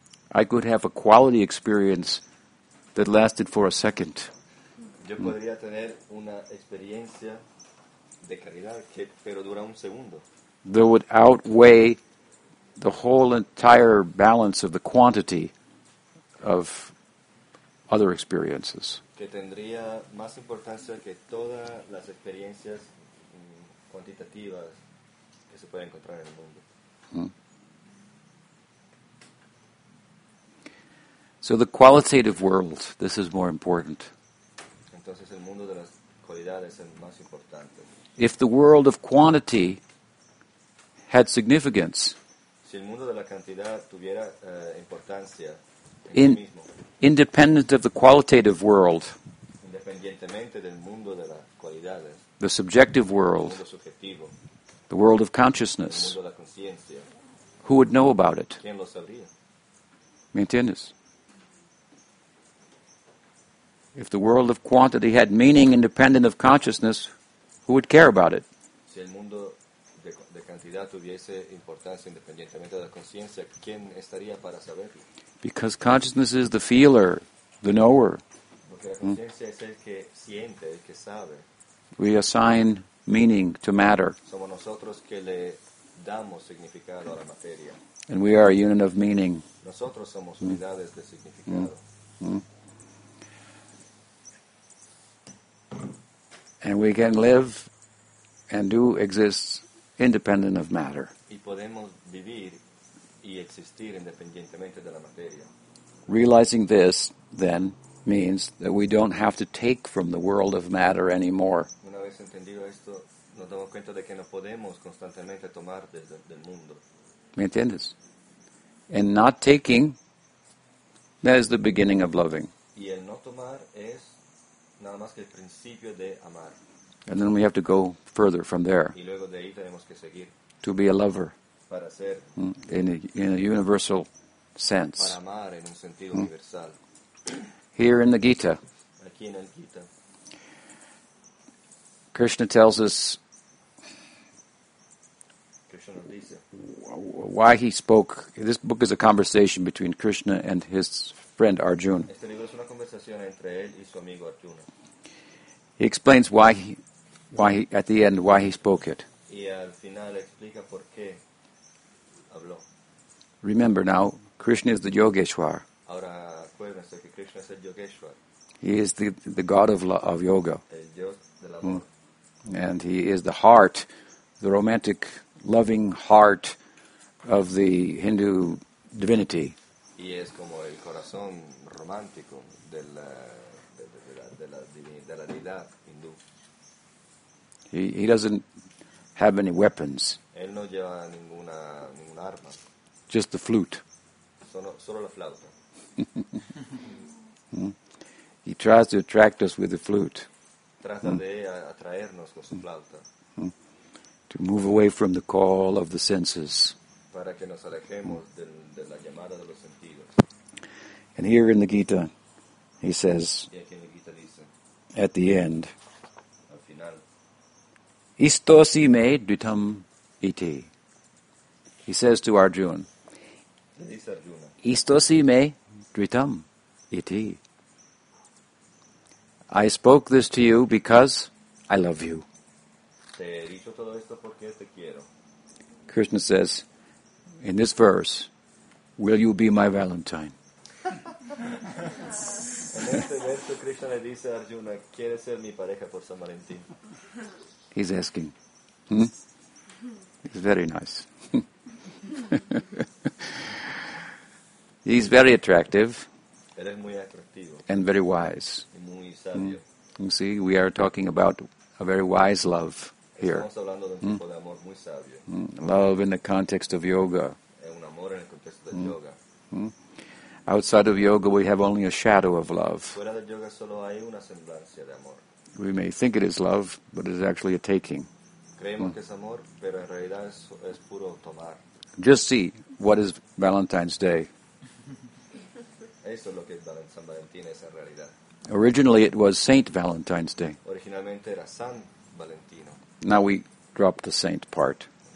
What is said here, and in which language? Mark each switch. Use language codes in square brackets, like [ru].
[en] I could have a quality experience that lasted for a second. [es] Yo podría tener una experiencia de calidad que pero dura un segundo. [en] That would outweigh the whole entire balance of the quantity of other experiences. [es] Que tendría más importancia que todas las experiencias cuantitativas que se pueden encontrar en el mundo. [en] So the qualitative world, this is more important. [es] Entonces, el mundo de las cualidades es el más importante. [en] If the world of quantity had significance, [es] si el mundo de la cantidad tuviera, importancia en [en] in, [es] sí mismo, [en] independent of the qualitative world, [es] independientemente del mundo de las cualidades, [en] the subjective world, [es] el mundo subjetivo, [en] the world of consciousness, [es] el mundo de la consciencia, [en] who would know about it? [es] ¿Quién lo sabría? ¿Me entiendes? [en] If the world of quantity had meaning independent of consciousness, who would care about it? [es] Si el mundo de cantidad tuviese importancia independientemente de la conciencia, ¿quién estaría para saberlo? [en] Because consciousness is the feeler, the knower. [es] Porque la conciencia es el que siente, el que sabe. [en] We assign meaning to matter. [es] Somos nosotros que le damos significado a la materia. [en] And we are a unit of meaning. [es] Nosotros somos unidades de significado. [en] And we can live and do exist independent of matter. [es] Y podemos vivir y existir independientemente de la materia. [en] Realizing this, then, means that we don't have to take from the world of matter anymore. [es] Una vez entendido esto, nos damos cuenta de que no podemos constantemente tomar del mundo. ¿Me entiendes? [en] And not taking, that is the beginning of loving. [es] Y el no tomar es nada más que el principio de amar. [en] And then we have to go further from there. [es] Y luego de ahí tenemos que seguir. [en] To be a lover. [es] Para ser [en] in a universal sense. [es] Para amar en un sentido universal. [en] Here in the Gita. [es] Aquí en el Gita. [en] Krishna tells us why he spoke. This book is a conversation between Krishna and his friend Arjuna. [es] Este libro es una conversación entre él y su amigo Arjuna. [en] He explains why he spoke it. [es] Y al final explica por qué habló. [en] Remember now, Krishna is the Yogeshwar. [es] Ahora acuérdense que Krishna es el Yogeshwar. [en] He is the god of yoga. [es] El dios del amor. [en] And he is the heart, the romantic, loving heart of the Hindu divinity. [es] Y es como el corazón romántico de la deidad hindú. [en] He doesn't have any weapons. [es] Él no lleva ninguna arma. [en] Just the flute. [es] Solo la flauta. [en] He tries to attract us with the flute. To move away from the call of the senses. [es] Para que nos alejemos de la llamada de los sentidos. [en] And here in the Gita, he says, [es] y aquí en la Gita dice, [en] at the end, [es] al final, [sa] istosi me dvitam iti. [en] He says to Arjuna, [es] dice Arjuna, [sa] istosi me dvitam iti. [en] I spoke this to you because I love you. [es] Te he dicho todo esto porque te quiero. [en] Krishna says, in this verse, will you be my Valentine? [es] En este verso Krishna le dice a Arjuna, ¿quieres ser mi pareja por San Valentín? [en] He's asking. He's very nice. He's very attractive. [es] Eres muy atractivo. [en] And very wise. [es] Y muy sabio. [en] You see, we are talking about a very wise love here. [es] Estamos hablando de un tipo de amor muy sabio. [en] Love in the context of yoga. [es] Es un amor en el contexto de yoga. [en] Outside of yoga, we have only a shadow of love. [es] Fuera del yoga solo hay una semblancia de amor. [en] We may think it is love, but it is actually a taking. [es] Creemos que es amor, pero en realidad es puro tomar. [en] Just see, what is Valentine's Day? [es] Eso es lo que es San Valentín, esa realidad. [en] Originally, it was Saint Valentine's Day. [es] Originalmente era San Valentino. [en] Now we drop the saint part.